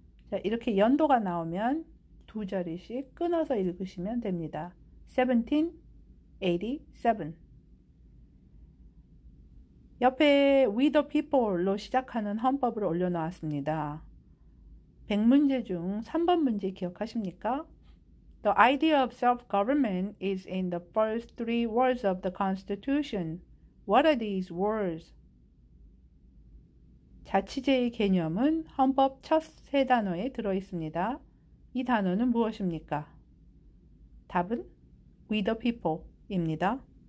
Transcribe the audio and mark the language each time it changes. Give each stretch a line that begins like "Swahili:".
Korean: 자, 이렇게 연도가 나오면 두 자리씩 끊어서 읽으시면 됩니다. 1787. 옆에
English: We the People
Korean: 로 시작하는 헌법을 올려놓았습니다. 100문제 중 3번 문제 기억하십니까?
English: The idea of self-government is in the first three words of the Constitution. What are these words?
Korean: 자치제의 개념은 헌법 첫 세 단어에 들어 있습니다. 이 단어는 무엇입니까? 답은
English: We the People
Korean: 입니다.